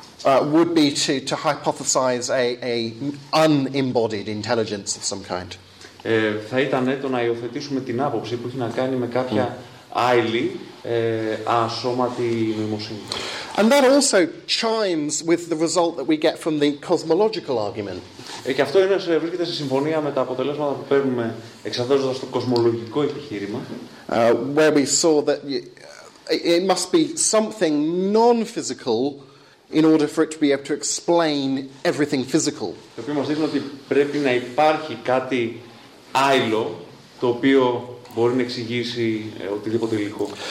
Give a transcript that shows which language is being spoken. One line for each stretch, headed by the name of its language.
English: Would be to hypothesize a unembodied intelligence of some kind.
Greek: Θα ήταν το να υιοθετήσουμε την άποψη που έχει να κάνει με κάποια άειλη, ασώματη νοημοσύνη.
English: And that also chimes with the result that we get from the cosmological argument.
Greek: Και αυτό είναι, βρίσκεται σε συμφωνία με τα αποτελέσματα που παίρνουμε εξαρτώντας το κοσμολογικό επιχείρημα.
English: Where we saw that it must be something non-physical in order for it to be able to explain everything physical.
Greek: Το οποίο μας δείχνει ότι πρέπει να υπάρχει κάτι άειλο το οποίο μπορεί να εξηγήσει οτιδήποτε υλικό.